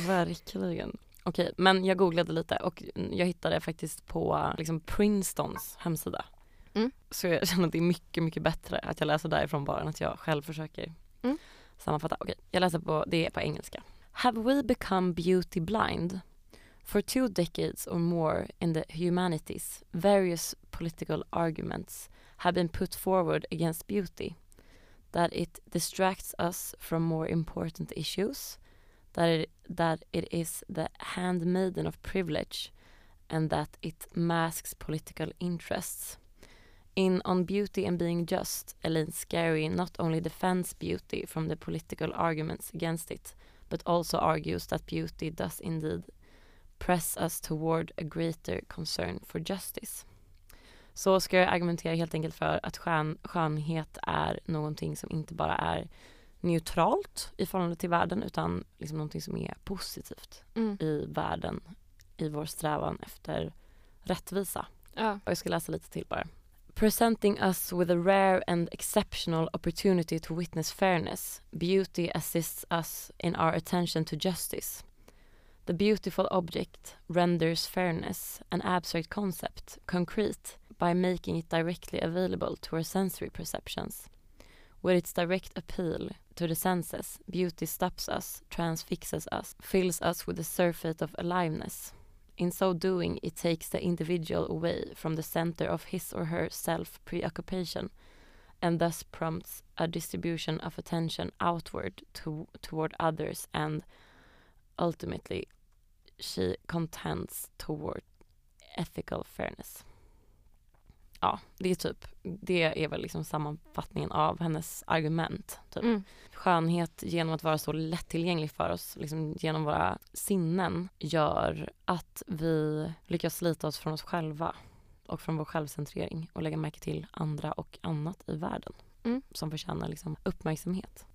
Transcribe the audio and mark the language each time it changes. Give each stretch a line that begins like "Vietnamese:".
Swedish: Verkligen. Okej, men jag googlade lite och jag hittade faktiskt på liksom Princetons hemsida. Så jag känner att det är mycket, mycket bättre att jag läser därifrån bara än att jag själv försöker sammanfatta. Okej, jag läser på, det är på engelska.
English: Have we become beauty blind? For two decades or more in the humanities, various political arguments have been put forward against beauty. That it distracts us from more important issues. That it is the handmaiden of privilege. And that it masks political interests. In On Beauty and Being Just, Elaine Scarry not only defends beauty from the political arguments against it, but also argues that beauty does indeed press us toward a greater concern for justice.
Swedish: Så ska jag argumentera helt enkelt för att skönhet är någonting som inte bara är neutralt i förhållande till världen, utan liksom någonting som är positivt i världen, i vår strävan efter rättvisa. Ja. Och jag ska läsa lite till bara.
English: Presenting us with a rare and exceptional opportunity to witness fairness, beauty assists us in our attention to justice. The beautiful object renders fairness, an abstract concept, concrete by making it directly available to our sensory perceptions. With its direct appeal to the senses, beauty stops us, transfixes us, fills us with a surfeit of aliveness. In so doing, it takes the individual away from the center of his or her self-preoccupation and thus prompts a distribution of attention outward toward others and ultimately she contends toward ethical fairness.
Swedish: Ja, det är typ, det är väl liksom sammanfattningen av hennes argument. Typ. Mm. Skönhet genom att vara så lättillgänglig för oss, liksom genom våra sinnen, gör att vi lyckas slita oss från oss själva och från vår självcentrering och lägga märke till andra och annat i världen som förtjänar liksom uppmärksamhet.